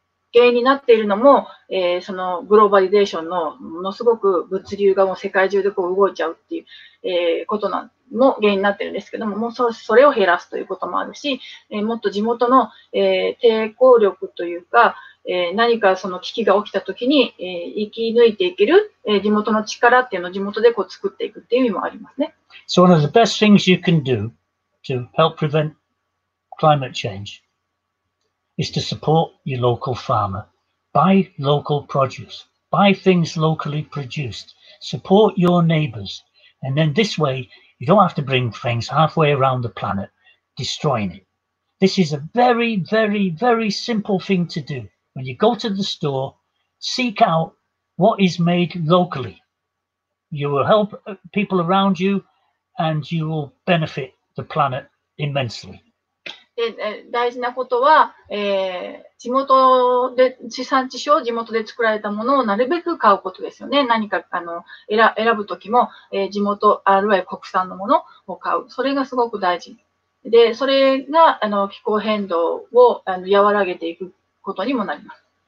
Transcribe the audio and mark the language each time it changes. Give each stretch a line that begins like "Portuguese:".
Japanese: 原因になっているのも、そのグローバリゼーションのものすごく物流がもう世界中でこう動いちゃうっていう、ことなの原因になっているんですけども、もうそれを減らすということもあるし、もっと地元の、抵抗力というか、何かその危機が起きたときに、生き抜いていける、地元の力っていうのを地元でこう作っていくっていう意味もありますね。
English: So one of the best things you can do to help prevent climate changeis to support your local farmer. Buy local produce. Buy things locally produced. Support your neighbors. And then this way, You don't have to bring things halfway around the planet, destroying it. This is a very, very, very simple thing to do. When you go to the store, seek out what is made locally. You will help people around you and you will benefit the planet immensely.
Japanese: で大事なことは、地元で地産地消、地元で作られたものをなるべく買うことですよね。何か選ぶときも、地元あるいは国産のものを買う。それがすごく大事。で、それが気候変動を和らげていくことにもなります。